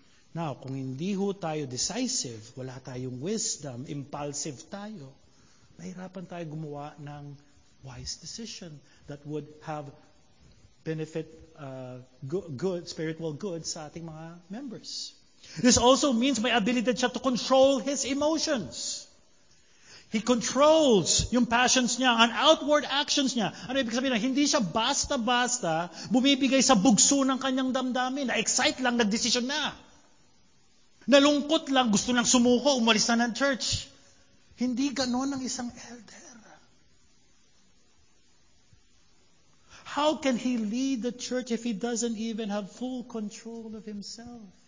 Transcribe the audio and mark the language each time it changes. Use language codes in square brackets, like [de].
[tl] Now, kung hindi ho tayo decisive, wala tayong wisdom, impulsive tayo, mahirapan tayo gumawa ng wise decision that would have benefit, good spiritual good sa ating mga members. [en] This also means may ability siya to control his emotions. He controls yung passions niya, and outward actions niya. [tl] Ano ibig sabihin na? Hindi siya basta-basta bumibigay sa bugso ng kanyang damdamin. Na-excite lang, nag-decision na. Nalungkot lang, gusto nang sumuko, umalis na ng church. Hindi ganon ang isang elder. [en] How can he lead the church if he doesn't even have full control of himself?